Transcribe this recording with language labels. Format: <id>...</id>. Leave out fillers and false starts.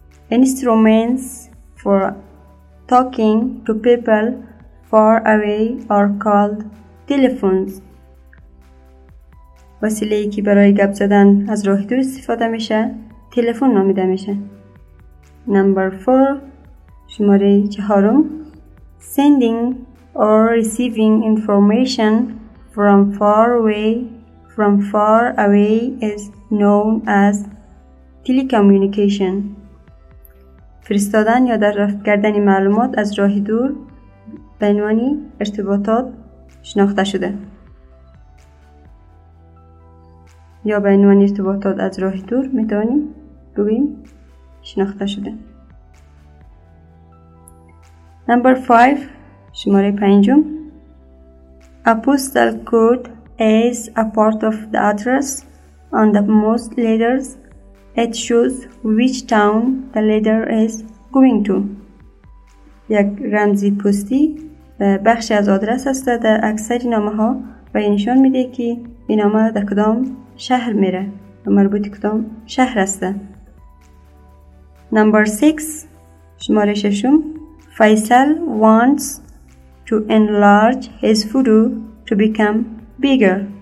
<en>Instruments for talking to people far away are called telephones.</en> <fa>وسیله ای که برای گپ زدن از راه دور استفاده میشه تلفن نامیده میشه.</fa> <en>Number 4</en> <fa>شماره چهارم.</fa> <en>Sending or receiving information from far away is known as telecommunication.</en> <fa>فرستادن یا دریافت کردن معلومات از راه دور به عنوان ارتباطات شناخته شده. یا به عنوان ارتباطات از راه دور می توانیم بگوییم شناخته شده.</fa> <en>Number 5</en> <fa>شماره پنجم.</fa> <en>A postal code is a part of the address on the most letters. It shows which town the letter is going to.</en> <fa>یک رمزی پستی بخشی از آدرس است در اکثر نامه ها و نشان میده که این نامه در کدام شهر میره و مربوط کدام شهر است.</fa> <en>Number 6</en> <fa>شماره ششم.</fa> <en>Faisal wants to enlarge his photo to become bigger.</en>